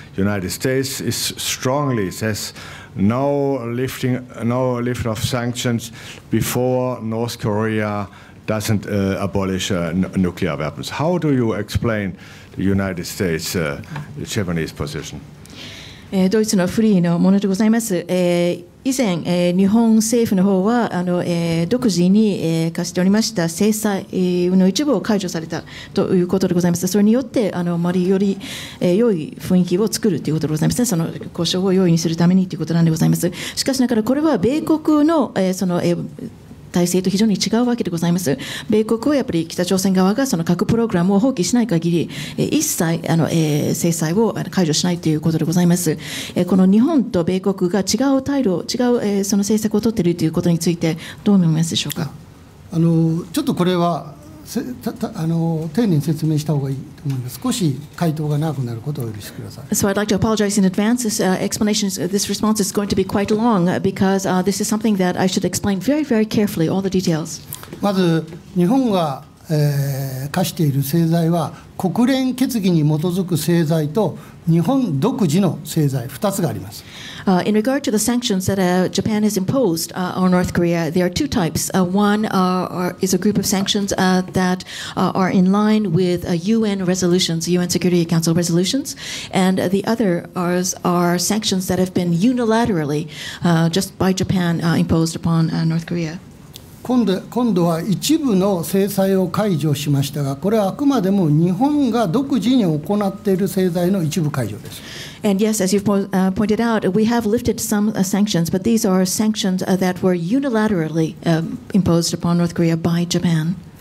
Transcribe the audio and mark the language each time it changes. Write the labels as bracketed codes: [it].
[en] United States is strongly says no lift of sanctions before North Korea doesn't abolish nuclear weapons. How do you explain the United States, the Japanese position? [ja] ドイツのフリーのものでございます。以前、日本政府の方は独自に課しておりました制裁の一部を解除されたということでございます。それによってより良い雰囲気を作るということでございますね。その交渉を容易にするためにということなんでございます。しかしながらこれは米国の、その、体制と非常に違うわけでございます。米国はやっぱり北朝鮮側がその核プログラムを放棄しない限り一切制裁を解除しないということでございます。この日本と米国が違う態度、違うその政策を取っているということについてどう思いますでしょうか。ちょっとこれは丁寧に説明した方がいいと思います。少し回答が長くなることを許してください。 [en] So I'd like to apologize in advance. This explanation, this response is going to be quite long because this is something that I should explain very, very carefully, all the details. [ja] まず日本が課している制裁は国連決議に基づく制裁と日本独自の制裁、2つがあります。 [en] In regard to the sanctions that Japan has imposed on North Korea, there are two types. One is a group of sanctions that are in line with UN resolutions, UN Security Council resolutions, and the other are sanctions that have been unilaterally just by Japan imposed upon North Korea. [ja] 今度は一部の制裁を解除しましたが、これはあくまでも日本が独自に行っている制裁の一部解除です。 [en] And yes, as you've pointed out, we have lifted some sanctions, but these are sanctions that were unilaterally imposed upon North Korea by Japan.